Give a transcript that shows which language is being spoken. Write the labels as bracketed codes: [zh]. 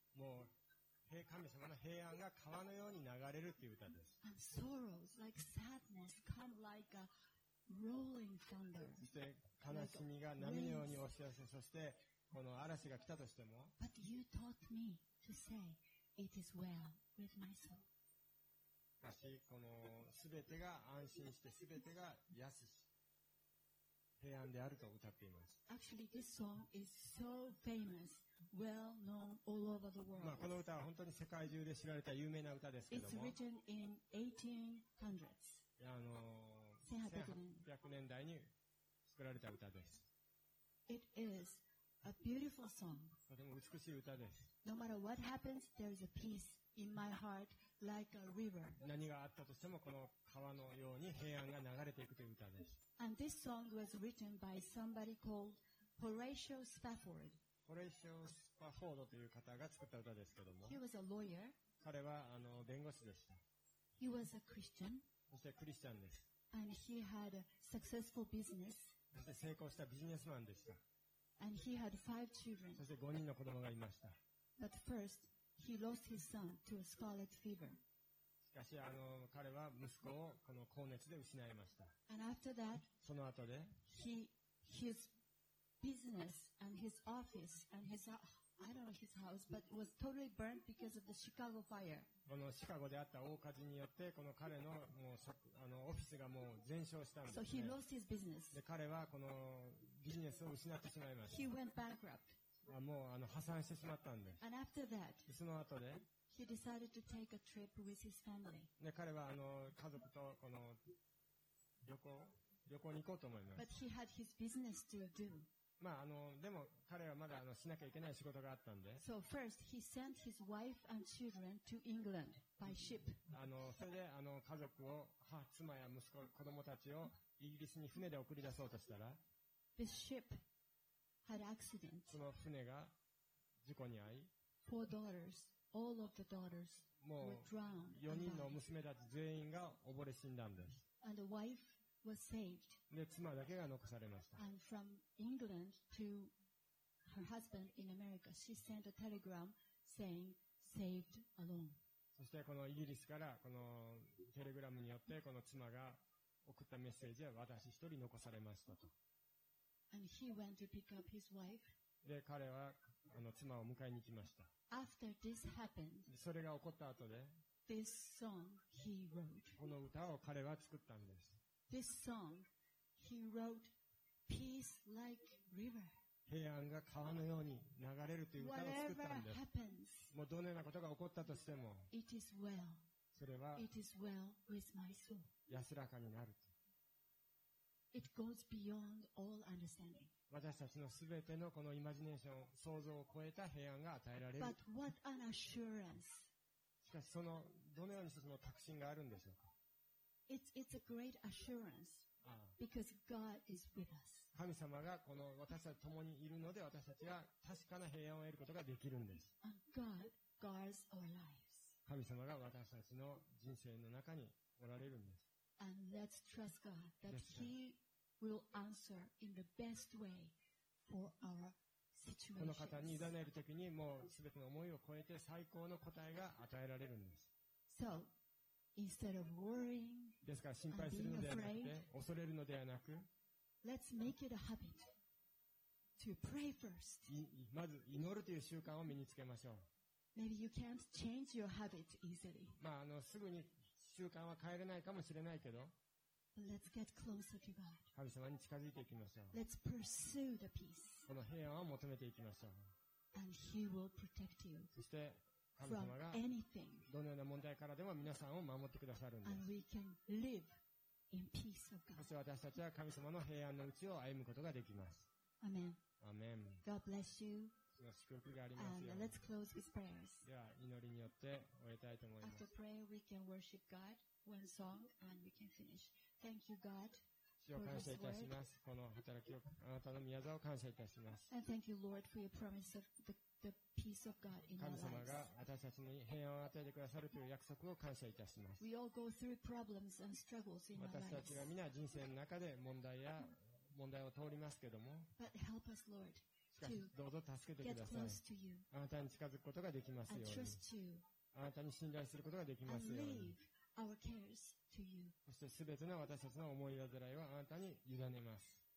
[ja] もう神様の平安が川のように流れるという歌です。 [en] And sorrows like sadness come like a rolling thunder. [ja] そして悲しみが波のように押し寄せ、そしてこの嵐が来たとしても。 [en] But you taught me to say it is well with my soul. [ja] しかし、このすべてが安心して、すべてが安し。平安であると歌っています。 [en] Actually, this song is so famous, well known all over the world. [ja] まあ、この歌は本当に世界中で知られた有名な歌ですけども、 [en] It's written in 1800s. [ja] 1800年代に作られた歌です。 [en] It is a beautiful song. [ja] とても美しい歌です。 [en] No matter what happens, there is a peace in my heart like a river. [ja] 何があったとしてもこの川のように平安が流れていくという歌です。 [en] And this song was written by somebody called Horatio Spafford. [ja] Horatio Spafford という方が作った歌ですけども。 [en] He was a lawyer. [ja] 彼はあの弁護士でした。 [en] He was a Christian. [ja] そしてクリスチャンです。 [en] And he had a successful business. [ja] そして成功したビジネスマンでした。 [en] And he had five children. [ja] そして5人の子供がいました。 [en] But first, he lost his son to a scarlet fever. [ja] しかし、あの、彼は息子をこの高熱で失いました。 [en] And after that, [ja] その後で、 [en] his business and his office and his, I don't know his house, but was totally burnt because of the Chicago fire. [ja] このシカゴであった大火事によって、この彼のもう、あの、オフィスがもう全焼したんですね。 [en] So he lost his business. [ja] で、彼はこのビジネスを失ってしまいました。 [en] He went bankrupt. [ja] もう、あの、破産してしまったんです。 [en] And after that, [ja] その後で、 [en] He decided to take a trip with his family. [ja] で、彼はあの家族とこの旅行に行こうと思います。 [en] But he had his business to do. [ja] まあ、あの、でも彼はまだあのしなきゃいけない仕事があったんで。 [en] So first he sent his wife and children to England by ship. [ja] あの、それであの家族を、は、妻や息子、子供たちをイギリスに船で送り出そうとしたら、 [en] The ship had accident. [ja] その船が事故に遭い、 [en] Four daughters. All of the daughters were drowned. [ja] もう4人の娘たち全員が溺れ死んだんです。 [en] And the wife was saved. [ja] で、妻だけが残されました。 [en] And from England to her husband in America, she sent a telegram saying, saved alone. [ja] そしてこのイギリスからこのテレグラムによってこの妻が送ったメッセージは私一人残されましたと。 [en] And he went to pick up his wife. [ja] で、彼はあの妻を迎えに行きました。 [en] After this happened, [ja] それが起こった後で、 [en] this song he wrote. [ja] この歌を彼は作ったんです。 [en] This song he wrote, peace like river. [ja] 平安が川のように流れるという歌を作ったんです。 [en] Happens, [ja] もうどのようなことが起こったとしても、 [en] it is well. [ja] それは [en] it is well with my soul. [ja] 安らかになると。 [en] It goes beyond all understanding. [ja] 私たちのすべてのこのイマジネーション、想像を超えた平安が与えられる。 [en] But what an assurance. [ja] しかしそのどのようにしてその確信があるんでしょうか。 [en] It's a great assurance because God is with us. [ja] 神様がこの私たちと共にいるので私たちは確かな平安を得ることができるんです。 [en] And God guards our lives. [ja] 神様が私たちの人生の中におられるんです。 [en] And let's trust God that He will answer in the best way for our situation. [ja] この方に委ねるときに、もうすべての思いを超えて最高の答えが与えられるんです。 [en] So, instead of worrying, [ja] ですから心配するのではなくて、恐れるのではなく、 [en] let's make it a habit to pray first. [ja] まず祈るという習慣を身につけましょう。 [en] Maybe you can't change your habit easily. [ja] まあ、すぐに習慣は変えれないかもしれないけど、神様に近づいていきましょう。 [en] Let's pursue the peace. [ja] この平安を求めていきましょう。 [en] And he will protect you. [ja] そして神様がどのような問題からでも皆さんを守ってくださるんです。 [en] And we can live in peace of God. [ja] そして私たちは神様の平安のうちを歩むことができます。 [en] Amen. Amen. God bless you. [ja] その祝福がありますように。 [en] And let's close with prayers. [ja] では祈りによって終えたいと思います。 [en] After prayer, we can worship God. One song and we can finish. Thank you, God. [ja] 主を感謝いたします。この働きをあなたの御業を感謝いたします。 [en] And thank you, Lord, for your promise of the peace of God in our lives. [ja] 神様が私たちに平安を与えてくださるという約束を感謝いたします。 [en] We all go through problems and struggles in our lives. [ja] 私たちは皆人生の中で問題を通りますけども。 [en] But help us, Lord, to get close to you. [ja] あなたに近づくことができますように。 [en] And trust you. [ja] あなたに信頼することができますように。 [en] Our cares to you. [ja] そしてすべての私たちの思い煩いをあなたに委ねます。